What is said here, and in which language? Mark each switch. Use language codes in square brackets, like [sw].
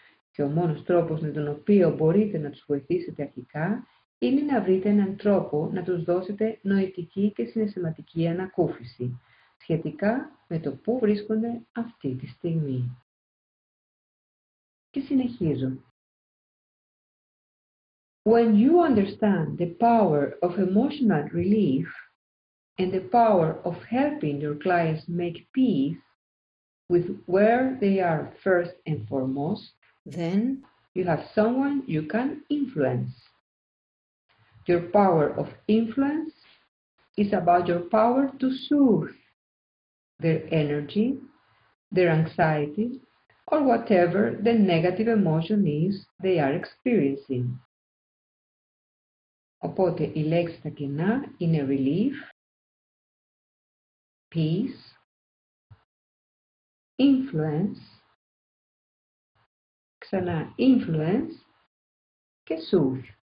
[el] Και ο μόνος τρόπος με τον οποίο μπορείτε να τους βοηθήσετε αρχικά είναι να βρείτε έναν τρόπο να τους δώσετε νοητική και συναισθηματική ανακούφιση σχετικά με το πού βρίσκονται αυτή τη στιγμή. Και συνεχίζω. [en] When you understand the power of emotional relief and the power of helping your clients make peace with where they are first and foremost, then you have someone you can influence. Your power of influence is about your power to soothe their energy, their anxiety, or whatever the negative emotion is they are experiencing. [el] Οπότε η λέξη στα κενά είναι relief, peace, influence, ξανά influence και soothe.